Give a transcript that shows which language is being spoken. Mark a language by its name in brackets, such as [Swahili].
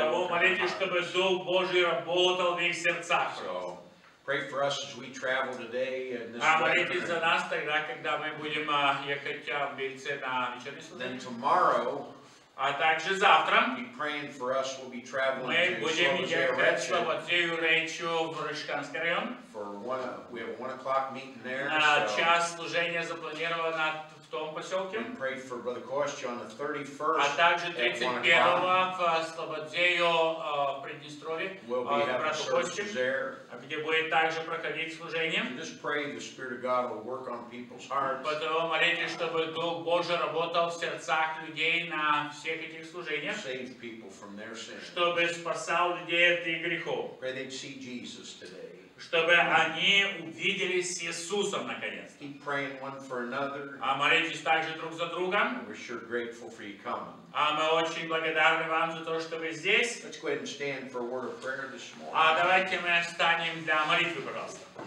[Russian] Поэтому молитесь, чтобы Дух Божий работал в их сердцах. [English] So. Pray for us as we travel today. [Russian] А молитесь за нас тогда, когда мы будем ехать в Бельце на вечерний служение. [English] Then tomorrow. [Russian] А также завтра. [English] Be praying for us. We'll be traveling to. [Russian] Мы будем ехать в Словацию Речу в Рышканский район. [English] For one, we have a 1 o'clock meeting there. [Russian] На час служения запланировано в том поселке. [English] And pray for Brother Kostya on the 31st. [Russian] А также 31-го в Словацию Приднестровье. [English] We'll be having services there. [Russian] Где будет также проходить служение. [English] Just pray the Spirit of God will work on people's hearts. [Russian] Поэтому молитесь, чтобы Дух Божий работал в сердцах людей на всех этих служениях. [English] Save people from their sins. [Russian] Чтобы спасал людей от их грехов. [English] Pray they'd see Jesus today. [Russian] Чтобы они увидели с Иисусом наконец. [English] Keep praying one for another. [Russian] А молитесь также друг за друга. [English] We're sure grateful for you coming. [Russian] А мы очень благодарны вам за то, что вы здесь. [English] Let's go ahead and stand for a word of prayer this morning. [Russian] А давайте мы встанем для молитвы, пожалуйста.